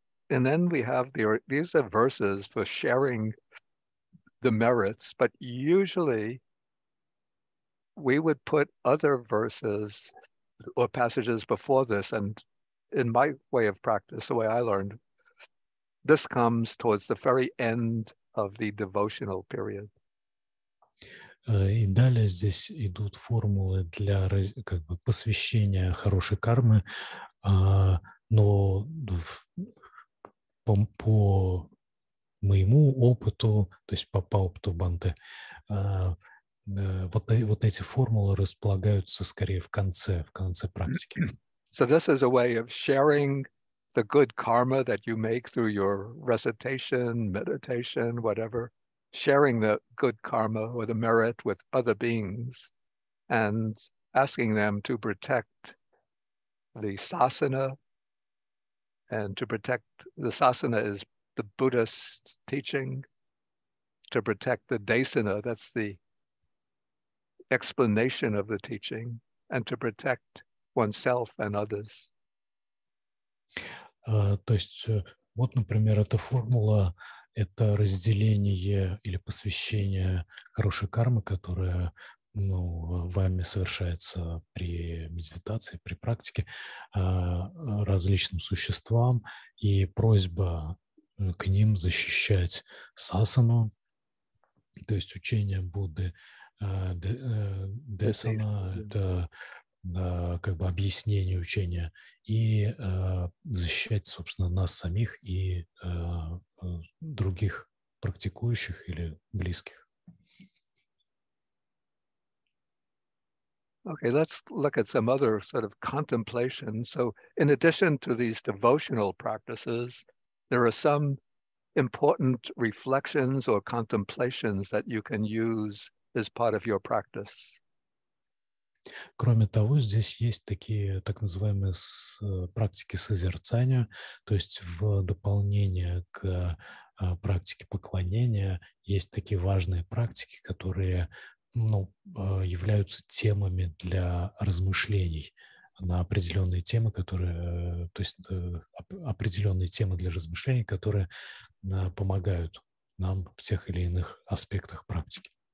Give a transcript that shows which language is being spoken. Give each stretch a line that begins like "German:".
English: And then we have these are verses for sharing the merits, but usually we would put other verses or passages before this. And in my way of practice, the way I learned, this comes towards the very end of the devotional period.
Russian: И далее здесь идут формулы для как бы посвящения хорошей кармы, но по моему опыту, то есть по опыту Банте, вот эти формулы располагаются скорее в конце практики.
English: So this is a way of sharing the good karma that you make through your recitation, meditation, whatever, sharing the good karma or the merit with other beings and asking them to protect the sasana. And to protect the sasana is the Buddhist teaching, to protect the desana, that's the explanation of the teaching, and to protect oneself and others.
Russian: То есть, вот, например, эта формула, это разделение или посвящение хорошей кармы, которая, ну, вами совершается при медитации, при практике различным существам и просьба к ним защищать сасану, то есть учение Будды, десана, это как бы объяснение учения, и защищать, собственно, нас самих и других практикующих или близких.
English: Okay, let's look at some other sort of contemplation. So in addition to these devotional practices, there are some important reflections or contemplations that you can use as part of your practice.
Russian: Кроме того, здесь есть такие так называемые практики созерцания, то есть в дополнение к практике поклонения есть такие важные практики, которые являются темами для размышлений на определенные темы, которые, то есть определенные темы для размышлений, которые помогают нам в тех или иных аспектах практики.